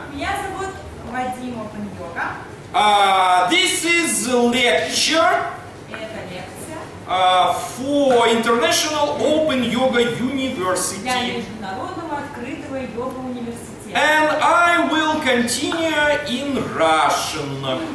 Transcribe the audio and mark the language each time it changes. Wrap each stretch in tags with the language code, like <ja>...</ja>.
<ru>Меня зовут Вадим Open Yoga.</ru> <en>This is a lecture.</en> <ru>Это лекция.</ru> <en>For International Open Yoga University.</en> <ru>Для международного открытого йога университета.</ru> <en>And I will continue in Russian.</en>